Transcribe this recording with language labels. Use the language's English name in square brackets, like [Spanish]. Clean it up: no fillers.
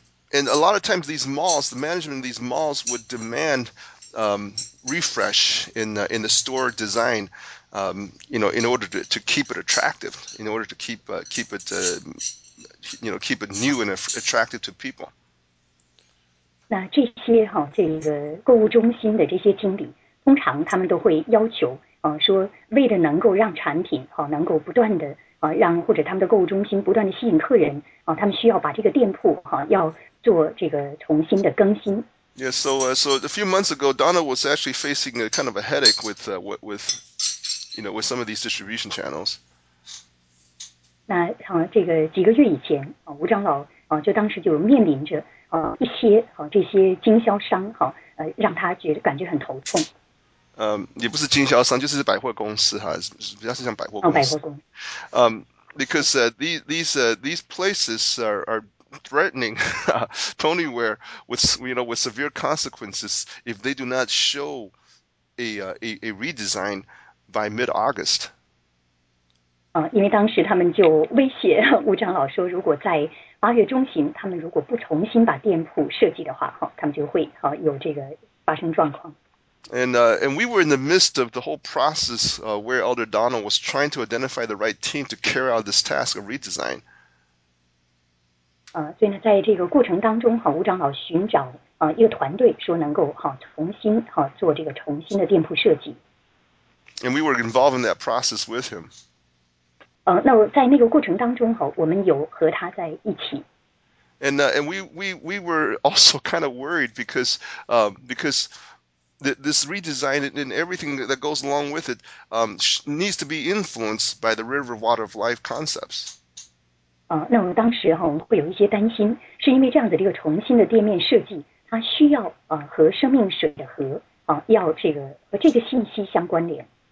[English] And a lot of times these malls, the management of these malls would demand refresh in the store design, in order to keep it attractive, in order to keep it new and attractive to people. [Chinese] 那这些这个购物中心的这些经理，通常他们都会要求说为了能够让产品能够不断的让或者他们的购物中心不断的吸引客人他们需要把这个店铺要做这个重新的更新。 [English] Yeah, so a few months ago, Donna was actually facing a kind of a headache with some of these distribution channels. [Chinese] 那这个几个月以前吴长老就当时就面临着一些这些经销商让他觉得感觉很头痛。也不是经销商，就是百货公司哈，比较是像百货公司。百货公司。 [English] Because these places are threatening Tonyware with severe consequences if they do not show a redesign by mid-August. [Chinese] 因为当时他们就威胁吴长老说，如果在八月中旬他们如果不重新把店铺设计的话，他们就会有这个发生状况。 [English] And we were in the midst of the whole process where Elder Donald was trying to identify the right team to carry out this task of redesign. [Chinese] 所以呢，在这个过程当中，吴长老寻找一个团队，说能够重新做这个重新的店铺设计。 [English] And we were involved in that process with him. [Chinese] 那在那个过程当中我们有和他在一起。 [English] And we were also kind of worried because this redesign and everything that goes along with it needs to be influenced by the river water of life concepts. [Chinese] 那我们当时会有一些担心，是因为这样子的一个重新的店面设计，它需要和生命水的河要这个信息相关联。